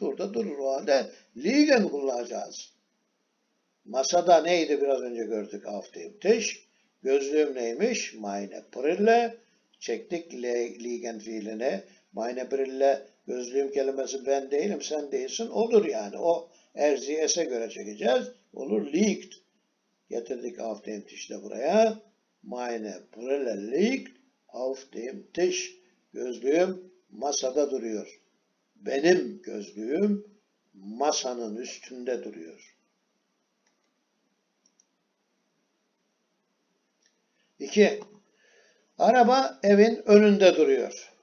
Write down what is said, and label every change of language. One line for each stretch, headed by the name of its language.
Turkish: Dur da durur. O halde liegen kullanacağız. Masada neydi biraz önce gördük?
German: Auf dem Tisch.
Turkish: Gözlüğüm neymiş?
German: Meine Brille.
Turkish: Çektik liegen fiilini.
German: Meine Brille.
Turkish: Gözlüğüm kelimesi ben değilim, sen değilsin. Olur yani. O erziyese göre çekeceğiz. Olur. Liegt. Getirdik
German: auf dem Tisch
Turkish: de buraya.
German: Meine Brille liegt. Auf dem Tisch.
Turkish: Gözlüğüm masada duruyor. Benim gözlüğüm masanın üstünde duruyor. İki, araba evin önünde duruyor.